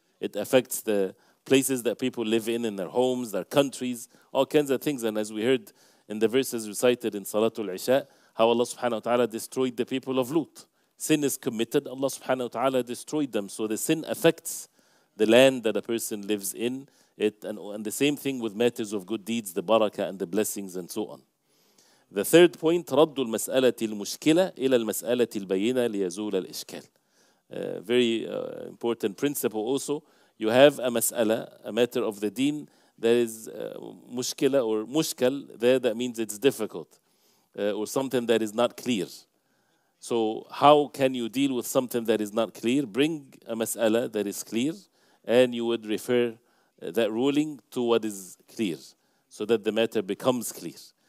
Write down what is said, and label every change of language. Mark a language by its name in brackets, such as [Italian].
[English] It affects the places that people live in their homes, their countries, all kinds of things. And as we heard in the verses recited in Salatul Isha, how Allah subhanahu wa ta'ala destroyed the people of Lut. Sin is committed, Allah subhanahu wa ta'ala destroyed them. So the sin affects the land that a person lives in. And the same thing with matters of good deeds, the barakah and the blessings and so on. The third point, [Arabic] رَدُّ الْمَسْأَلَةِ الْمُشْكِلَةِ إِلَى الْمَسْأَلَةِ الْبَيِّنَةِ لِيَزُولَ الْإِشْكَالِ [English] Very important principle also. You have a mas'ala, a matter of the deen, that is mushkila or mushkal, there that means it's difficult, or something that is not clear. So how can you deal with something that is not clear? Bring a mas'ala that is clear, and you would refer that ruling to what is clear, so that the matter becomes clear.